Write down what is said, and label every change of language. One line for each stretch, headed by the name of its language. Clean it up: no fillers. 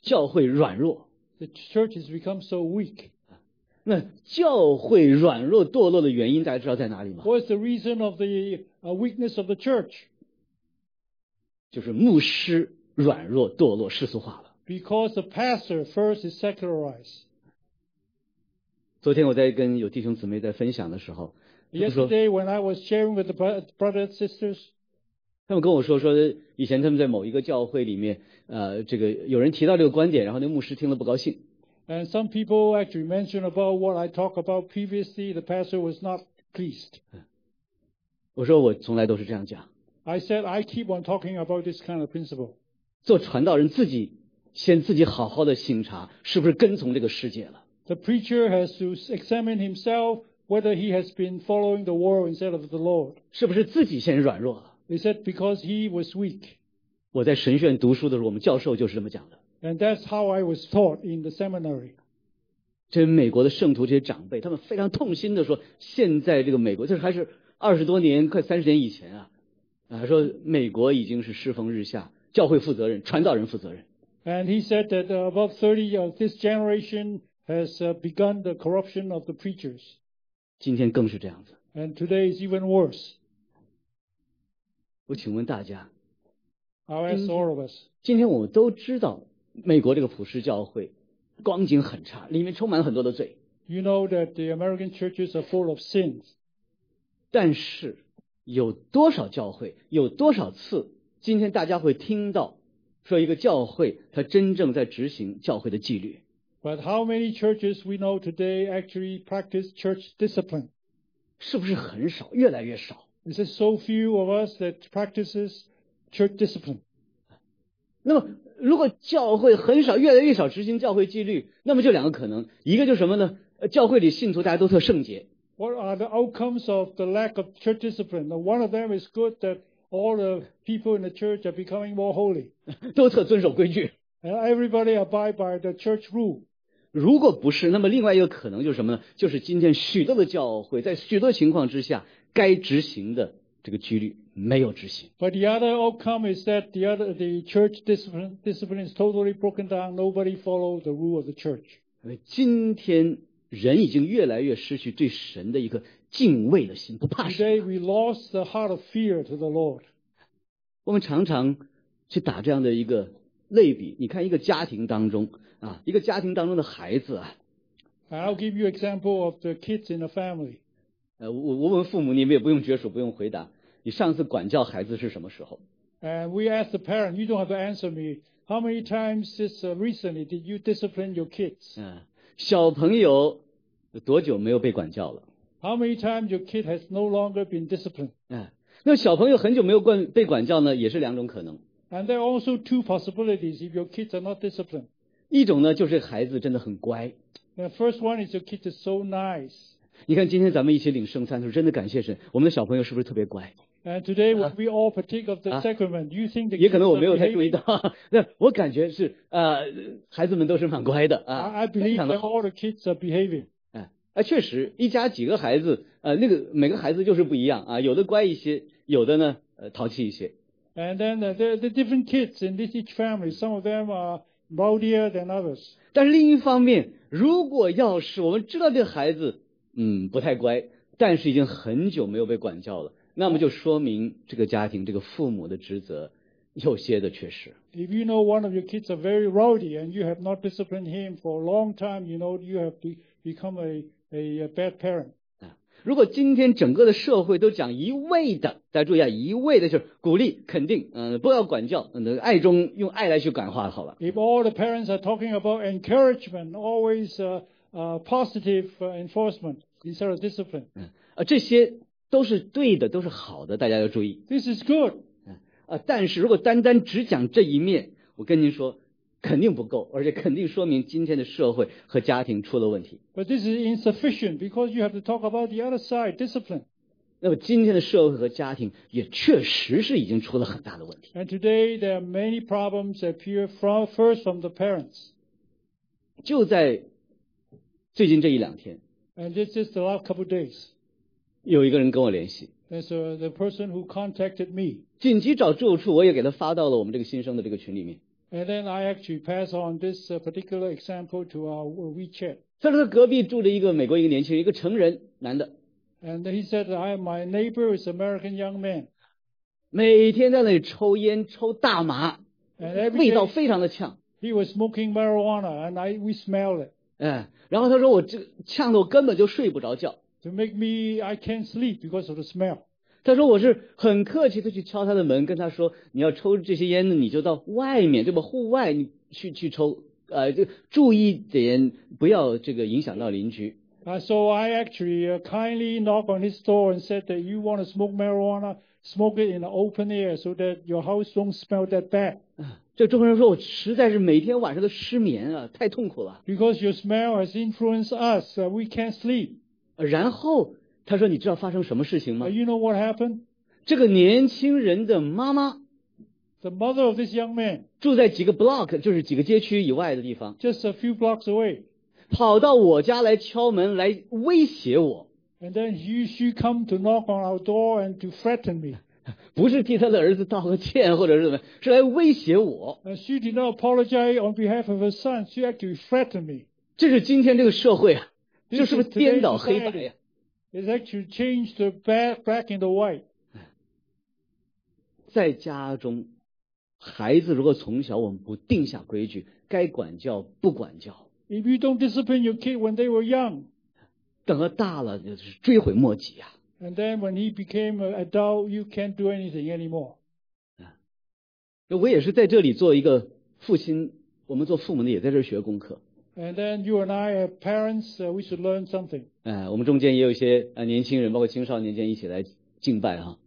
Chinese: 教会软弱。
English: The church has become so weak.
Chinese: 那教会软弱堕落的原因大家知道在哪里吗？
English: What is the reason of the weakness of the church?
Chinese: 就是牧师软弱堕落世俗化了。
English: Because the pastor first is secularized.
Chinese: 昨天我在跟有弟兄姊妹在分享的时候
English: ，Yesterday when I was sharing with the brothers and sisters,
Chinese: 他们跟我说以前他们在某一个教会里面，这个有人提到这个观点，然后那牧师听了不高兴。
English: And some people actually mentioned about what I talked about previously. The pastor was not pleased.
Chinese: 我说我从来都是这样讲。
English: I said I keep on talking about this kind of principle.
Chinese: 做传道人自己先自己好好的省察是不是跟从这个世界了。
English: The preacher has to examine himself whether he has been following the world instead of the Lord.
Chinese: 是不是自己先软弱了。
English: He said because he was weak.
Chinese: 我在神学院读书的时候我们教授就是这么讲的。
English: And that's how I was taught in the seminary.
Chinese: 这美国的圣徒这些长辈他们非常痛心的说现在这个美国就是还是二十多年快三十年以前啊。他说美国已经是世风日下教会负责任传道人负责任。
English: And he said that about 30 of this generation has begun the corruption of the preachers.
Chinese: 今天更是这样子。
English: And today is even worse.
Chinese: 我请问大家。
English: I'll ask all of us.
Chinese: 今天我们都知道美国这个普世教会光景很差里面充满了很多的罪。
English: You know that the American churches are full of sins.
Chinese: 但是有多少教会有多少次今天大家会听到说一个教会它真正在执行教会的纪律。
English: But how many churches we know today actually practice church discipline?
Chinese: 是不是很少越来越少
English: Is it so few of us that practices church discipline?
Chinese: 那么如果教会很少越来越少执行教会纪律那么就两个可能一个就是什么呢教会里信徒大家都特圣洁。
English: What are the outcomes of the lack of church discipline? Now, one of them is good that all the people in the church are becoming more holy.
Chinese: 都特遵守规矩。
English: And everybody abide by the church rule.
Chinese: 如果不是那么另外一个可能就是什么呢就是今天许多的教会在许多情况之下该执行的这个纪律没有执行。
English: But the other outcome is that the church discipline is totally broken down. Nobody follows the rule of the church.
Chinese: 今天人已经越来越失去对神的一个敬畏的心不怕神。
English: Today we lost the heart of fear to the Lord.
Chinese: 我们常常去打这样的一个类比你看一个家庭当中啊一个家庭当中的孩子啊。
English: I'll give you example of the kids in the family.
Chinese: 我问父母你们也不用绝手不用回答你上次管教孩子是什么时候
English: And we ask the parent, you don't have to answer me, how many times this recently did you discipline your kids?、
Chinese: 小朋友多久没有被管教了
English: How many times your kid has no longer been disciplined?、
Chinese: 那小朋友很久没有被管教呢也是两种可能
English: And there are also two possibilities if your kids are not disciplined.
Chinese: 一种呢就是孩子真的很乖
English: The first one is your kid is so nice.
Chinese: 你看今天咱们一起领圣餐的时候真的感谢神我们的小朋友是不是特别乖
English: And today when we all partake of the sacrament, you think the
Chinese: 也可能我没有太注意到那我感觉是孩子们都是蛮乖的、
English: I believe that all the kids are behaving.
Chinese: 确实一家几个孩子那个每个孩子就是不一样啊有的乖一些有的呢淘气一些。
English: And then the different kids in this each family, some of them are rowdier than others.
Chinese: 但另一方面如果要是我们知道这个孩子不太乖但是已经很久没有被管教了那么就说明这个家庭这个父母的职责有些的缺失。
English: If you know one of your kids are very rowdy and you have not disciplined him for a long time, you know you have become a bad parent.
Chinese: 如果今天整个的社会都讲一味的大家注意啊一味的就是鼓励肯定不要管教爱中用爱来去感化好了。
English: If all the parents are talking about encouragement, always, positive enforcement instead of discipline.
Chinese: 这些都是对的都是好的大家要注意。
English: This is good.
Chinese: 但是如果单单只讲这一面我跟您说肯定不够而且肯定说明今天的社会和家庭出了问题。
English: But this is insufficient because you have to talk about the other side, discipline.
Chinese: 那么今天的社会和家庭也确实是已经出了很大的问题。
English: And today there are many problems that appear first from the parents.
Chinese: 就在最近这一两天
English: And this is the last couple of days.
Chinese: 有一个人跟我联系
English: And so the person who contacted me.
Chinese: 紧急找住处我也给他发到了我们这个新生的这个群里面
English: And then I actually pass on this particular example to our WeChat.
Chinese: 他说他隔壁住着一个美国一个年轻人一个成人男的
English: And he said my neighbor is an American young man.
Chinese: 每天在那里抽烟抽大麻
English: And every day,
Chinese: 味道非常的呛
English: He was smoking marijuana and we smelled it.
Chinese: 然后他说我这呛得我根本就睡不着觉。
English: To make me, I can't sleep because of the smell.
Chinese: 他说我是很客气的去敲他的门跟他说你要抽这些烟呢你就到外面对吧户外你去抽就注意点不要这个影响到邻居。
English: So I actually kindly knocked on his door and said that you want to smoke marijuana, smoke it in the open air so that your house don't smell that bad.
Chinese: 这中国人说，我实在是每天晚上都失眠啊，太痛苦了。
English: Because your smell has influenced us, we can't sleep.
Chinese: 然后他说，你知道发生什么事情吗？
English: You know what happened?
Chinese: 这个年轻人的妈妈，
English: the mother of this young man,
Chinese: 住在几个 block, 就是几个街区以外的地方，
English: just a few blocks away,
Chinese: 跑到我家来敲门，来威胁我。
English: And then she come to knock on our door and to threaten me.
Chinese: 不是替他的儿子道个歉或者是怎么，是来威胁我。
English: She did not apologize on behalf of her son. She actually threatened me.
Chinese: 这是今天这个社会啊，这是不是颠倒黑白呀？
English: It's actually changed the black and the white.
Chinese: 在家中，孩子如果从小我们不定下规矩，该管教不管教。
English: If you don't discipline your kid when they were young,
Chinese: 等到大了就是追悔莫及啊。
English: And then when he became an adult, you can't do anything anymore.
Chinese: 我也是在这里做一个父亲，我们做父母的也在这儿学功课。
English: And then you and I are parents, we should learn something.
Chinese: 我们中间也有一些年轻人，包括青少年间一起来敬拜哈。